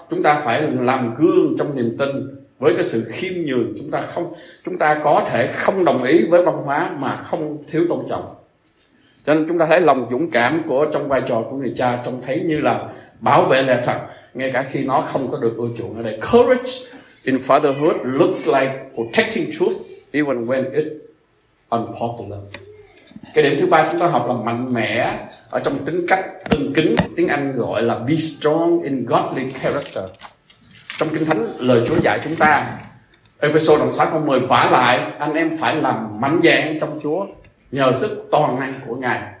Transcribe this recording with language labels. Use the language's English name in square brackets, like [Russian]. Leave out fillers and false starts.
[Vietnamese] Chúng ta phải làm gương trong niềm tin với cái sự khiêm nhường. Chúng ta có thể không đồng ý với văn hóa mà không thiếu tôn trọng. Cho nên chúng ta thấy lòng dũng cảm của trong vai trò của người cha trông thấy như là bảo vệ lẽ thật, ngay cả khi nó không có được ưa chuộng ở đây. [English] Courage in fatherhood looks like protecting truth even when it's unpopular. [Vietnamese] Cái điểm thứ ba chúng ta học là mạnh mẽ ở trong tính cách tôn kính, tiếng Anh gọi là [English] be strong in godly character. [Vietnamese] Trong Kinh Thánh, lời Chúa dạy chúng ta, Ephesians đoạn 6 câu 10, vả lại anh em phải làm mạnh dạn trong Chúa nhờ sức toàn năng của Ngài.